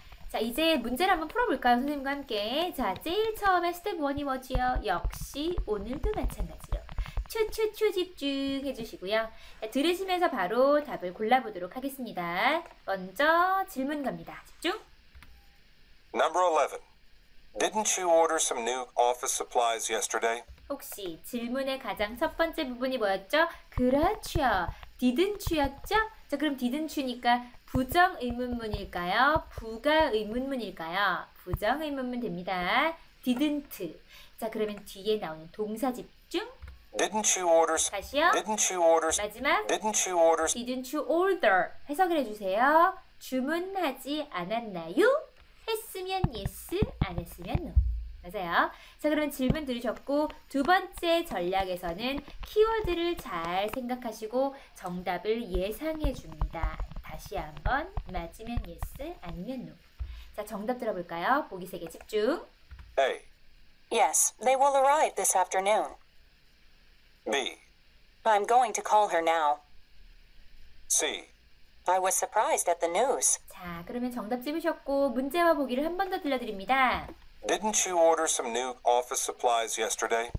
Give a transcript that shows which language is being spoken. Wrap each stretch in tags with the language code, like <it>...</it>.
<ko>자, 이제 문제를 한번 풀어볼까요? 선생님과 함께. 자, 제일 처음에 스텝 1이 뭐지요? 역시 오늘도 마찬가지로 츄츄츄 집중해 주시고요. 들으시면서 바로 답을 골라보도록 하겠습니다. 먼저 질문 갑니다. 집중!</ko> <en>Number 11. Didn't you order some new office supplies yesterday?</en> <ko>혹시 질문의 가장 첫 번째 부분이 뭐였죠? 그렇죠.</ko> <en>Didn't you</en> <ko>였죠? 자, 그럼</ko> <en>didn't you</en> <ko>니까 부정 의문문일까요? 부가 의문문일까요? 부정 의문문 됩니다.</ko> <en>Didn't.</en> <ko>자, 그러면 뒤에 나오는 동사 집중.</ko> <en>Didn't</en> <ko>다시요. 마지막.</ko> <en>Didn't you order?</en> <ko>해석을 해주세요. 주문하지 않았나요? 했으면</ko> <en>yes,</en> <ko>안 했으면</ko> <en>no.</en> <ko>맞아요. 자, 그러면 질문 들으셨고, 두 번째 전략에서는 키워드를 잘 생각하시고 정답을 예상해 줍니다. 다시 한번 맞으면</ko> <en>yes,</en> <ko>아니면</ko> <en>no.</en> <ko>자, 정답 들어볼까요? 보기 세개 집중.</ko> <en>A. Yes, they will arrive this afternoon. B. I'm going to call her now. C. I was surprised at the news.</en> <ko>자, 그러면 정답 찍으셨고, 문제와 보기를 한번더 들려드립니다.</ko> <en>Didn't you order some new office supplies yesterday?</en>